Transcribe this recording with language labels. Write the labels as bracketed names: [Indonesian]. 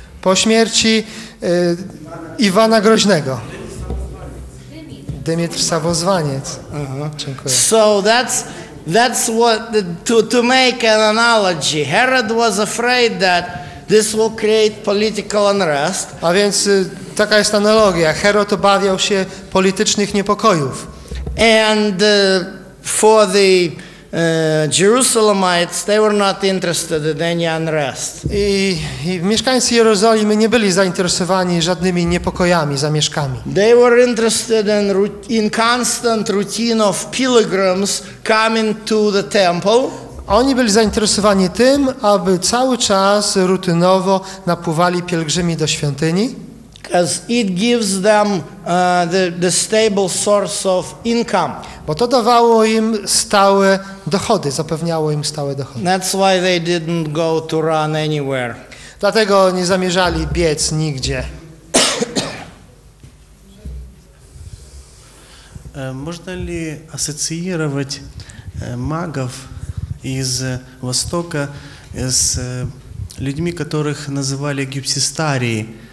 [Polish] Po śmierci Iwana Groźnego. Dymitr Samozwaniec. Dziękuję. [English] So that's what to make an analogy. Herod was afraid that this will create political unrest. [Polish] A więc taka jest analogia. Herod obawiał się politycznych niepokojów. [English] And for the Jerusalemites, they were not interested in any unrest. [Polish] I mieszkańcy Jerozolimy nie byli zainteresowani żadnymi niepokojami, zamieszkami. [English] They were interested in constant routine of pilgrims coming to the temple. [Polish] Oni byli zainteresowani tym, aby cały czas rutynowo napływali pielgrzymi do świątyni. [English] As it gives them the stable source of income. [Polish] Bo to dawało im stałe dochody, zapewniało im stałe dochody. [English] That's why they didn't go to run anywhere. [Polish] Dlatego nie zamierzali biec nigdzie. Można li asocjować magów z Wschodu z ludźmi, których nazywali egipsistarii?